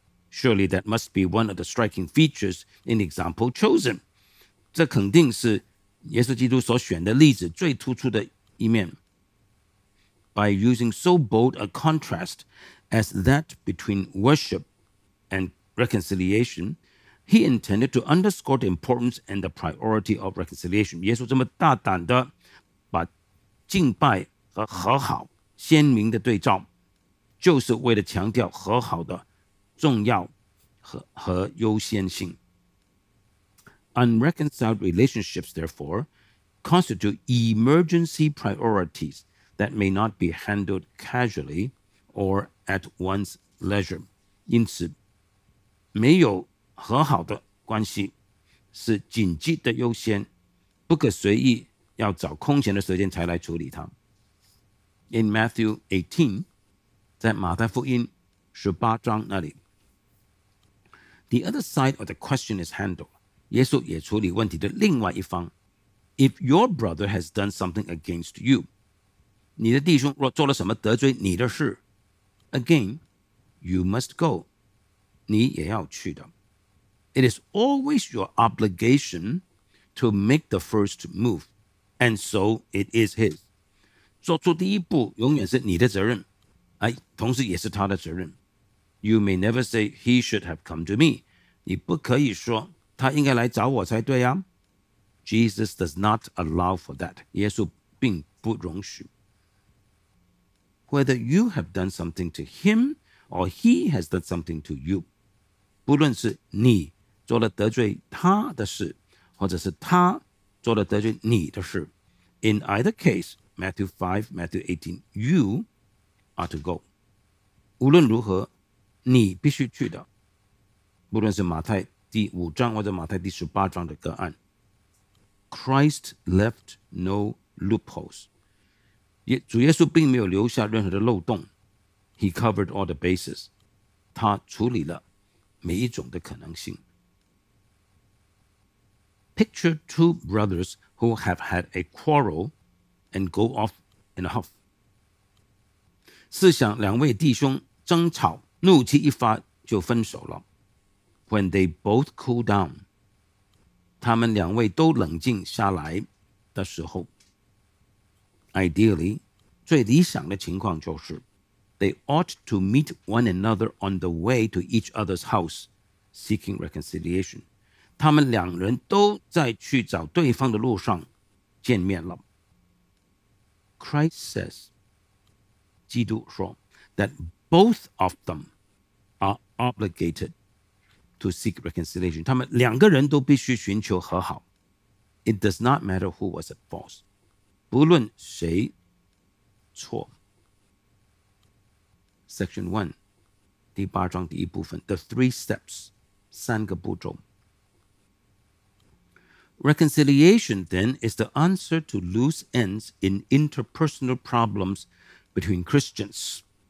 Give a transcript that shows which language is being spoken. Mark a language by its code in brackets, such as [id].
[en] Surely that must be one of the striking features in the example chosen. [zh] 这肯定是耶稣基督所选的例子最突出的一面。 [en] By using so bold a contrast as that between worship and reconciliation, he intended to underscore the importance and the priority of reconciliation. [zh] 耶稣这么大胆地把敬拜和和好鲜明地对照，就是为了强调和好的重要 和优先性。 [en] Unreconciled relationships, therefore, constitute emergency priorities that may not be handled casually or at one's leisure. [zh] 因此，没有和好的关系是紧急的优先，不可随意要找空闲的时间才来处理它。 [en] In Matthew 18, [zh] 在马太福音十八章那里， [en] The other side of the question is handled. [zh] 耶稣也处理问题的另外一方。 [en] If your brother has done something against you, [zh] 你的弟兄若做了什么得罪你的事， [en] again, you must go, [zh] 你也要去的。 [en] It is always your obligation to make the first move, and so it is his. [zh] 做出第一步永远是你的责任，同时也是他的责任。 [en] You may never say he should have come to me. [zh] 你不可以说他应该来找我才对啊。 [en] Jesus does not allow for that. [zh] 耶稣并不容许。 [en] Whether you have done something to him or he has done something to you, [zh] 不论是你做了得罪他的事，或者是他做了得罪你的事， [en] In either case, Matthew 5, Matthew 18, you are to go. [zh] 无论如何，你必须去的。不论是马太第五章或者马太第十八章的个案， [en] Christ left no loopholes. [zh] 主耶稣并没有留下任何的漏洞。 [en] He covered all the bases. [zh] 他处理了每一种的可能性。 [en] Picture two brothers who have had a quarrel and go off in a huff. [zh] 试想两位弟兄争吵怒气一发就分手了。 [en] When they both cool down, [zh] 他们两位都冷静下来的时候， [en] ideally, [zh] 最理想的情况就是， [en] they ought to meet one another on the way to each other's house, seeking reconciliation. [zh] 他们两人都在去找对方的路上见面了。 [en] Christ says, [zh] 基督说， [en] that both of them are obligated to seek reconciliation. [zh] 他们两个人都必须寻求和好。 [en] It does not matter who was at fault. [zh] 不论谁错。 [en] Section 1, [zh] 第八章第一部分， [en] The three steps, [zh] 三个步骤。 [en] Reconciliation, then, is the answer to loose ends in interpersonal problems between Christians.